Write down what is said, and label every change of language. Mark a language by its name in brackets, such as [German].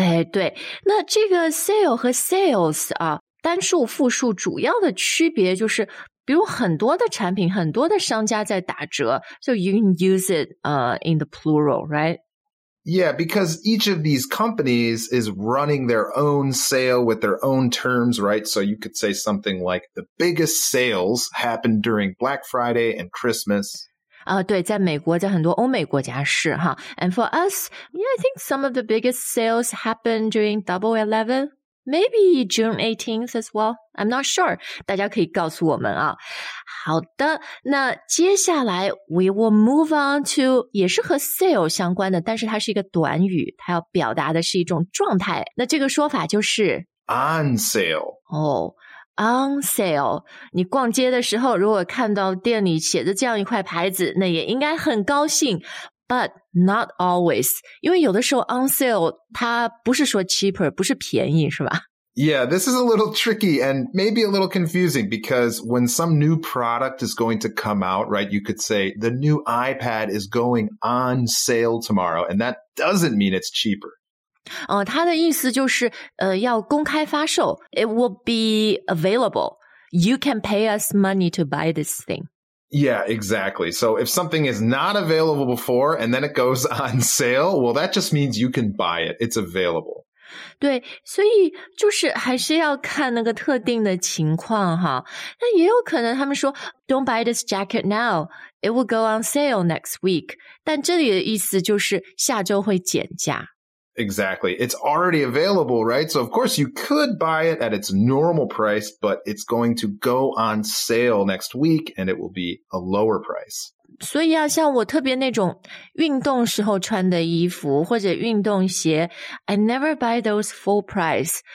[Chinese] 对，那这个 sale 和 sales 啊，单数、复数主要的区别就是，比如很多的产品、很多的商家在打折 ， [English] so you can use it in the plural, [Chinese] right? [English] Yeah, because each of these companies is running their own sale with their own terms, right? So you could say something like the biggest sales happen during Black Friday and Christmas. [Chinese] 对，在美国，在很多欧美国家是哈。 [English] And for us, yeah, I think some of the biggest sales happen during Double 11, maybe June 18th as well. I'm not sure. [Chinese] 大家可以告诉我们啊。好的，那接下来 [English] we will move on to [Chinese] 也是和 sale 相关的，但是它是一个短语，它要表达的是一种状态。那这个说法就是 [English] on sale. [Chinese] On sale, 你逛街的时候如果看到店里写着这样一块牌子，那也应该很高兴。 [English] But not always, [Chinese] 因为有的时候 on sale, 它不是说 cheaper, 不是便宜，是吧？ [English] Yeah, this is a little tricky and maybe a little confusing because when some new product is going to come out, right, you could say the new iPad is going on sale tomorrow, and that doesn't mean it's cheaper. [Chinese] 它的意思就是要公开发售。 [English] It will be available. You can pay us money to buy this thing. Yeah, exactly. So if something is not available before and then it goes on sale, well, that just means you can buy it. It's available. [Chinese] 对，所以就是还是要看那个特定的情况哈。那也有可能他们说 [English] don't buy this jacket now. It will go on sale next week. [Chinese] 但这里的意思就是下周会减价。 [English] Exactly. It's already available, right? So of course you could buy it at its normal price, but it's going to go on sale next week and it will be a lower price. [Chinese] 所以啊，像我特别那种运动时候穿的衣服或者运动鞋， [English] I never buy those full price.